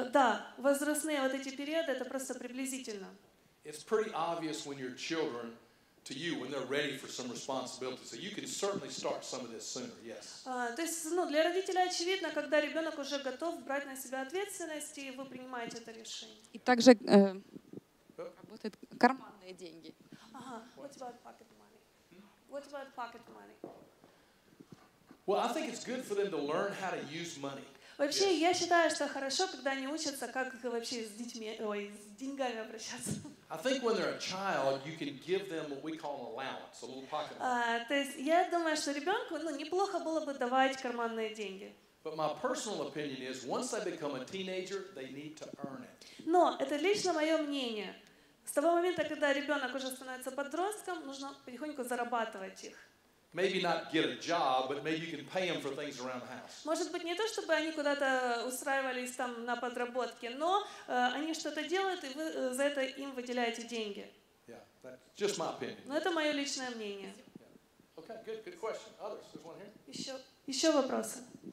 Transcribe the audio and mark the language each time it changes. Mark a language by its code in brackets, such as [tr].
[ru] Да, возрастные вот эти периоды, это просто приблизительно. [en] It's pretty obvious when your children, to you, when they're ready for some responsibility. So you can certainly start some of this sooner, yes. [ru] То есть, ну, для родителя очевидно, когда ребенок уже готов брать на себя ответственность, и вы принимаете это решение. И также работают карманные деньги. [en] What about pocket money? Well, I think it's good for them to learn how to use money. [ru] Вообще, yes. Я считаю, что хорошо, когда они учатся, как вообще с детьми, с деньгами обращаться. [en] I think when they're a child, you can give them what we call an allowance, a little pocket money. [ru] То есть, я думаю, что ребенку, ну, неплохо было бы давать карманные деньги. [en] But my personal opinion is, once they become a teenager, they need to earn it. [ru] Но это лично мое мнение. С того момента, когда ребенок уже становится подростком, нужно потихоньку зарабатывать их. [en] Maybe not get a job, but maybe you can pay them for things around the house. [ru] Может быть, не то, чтобы они куда-то устраивались там на подработке, но они что-то делают, и вы за это им выделяете деньги. [en] Yeah, that's just my opinion. [ru] Но это мое личное мнение. [en] Yeah. Okay, good question. Others, there's one here. [ru] Еще вопросы.